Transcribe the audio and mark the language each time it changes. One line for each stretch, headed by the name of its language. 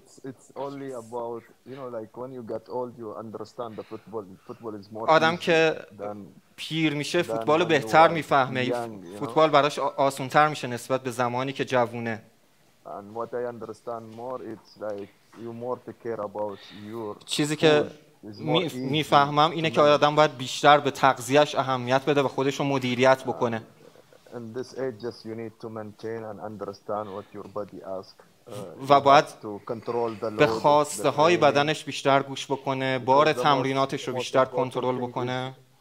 English: It's only about you know like when you get old you understand the football is more
Persian: آدم که پیر میشه فوتبال رو بهتر میفهمه، فوتبال براش آسان‌تر میشه نسبت به زمانی که جوونه.
English: And what I understand more it's like you more to care about your
Persian: چیزی که میفهمم اینه که آدم باید بیشتر به تغذیه‌اش اهمیت بده و خودش رو مدیریت بکنه.
English: And this age just you need to maintain and understand what your body asks.
Persian: و باید به خواسته های بدنش بیشتر گوش بکنه، بار تمریناتش رو بیشتر کنترل بکنه،